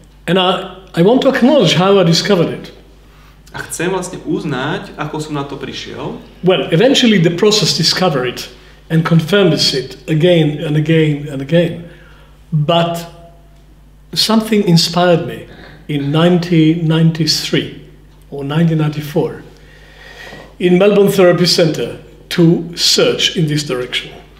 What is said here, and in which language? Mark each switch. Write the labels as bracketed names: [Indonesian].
[English] And I want to acknowledge how I discovered it. [Slovak] A chcem vlastne uznať, ako som na to prišiel. [English] Well, eventually the process discovered it and confirms it again and again and again. But something inspired me in 1993 or 1994 in Melbourne Therapy Center to search in this direction.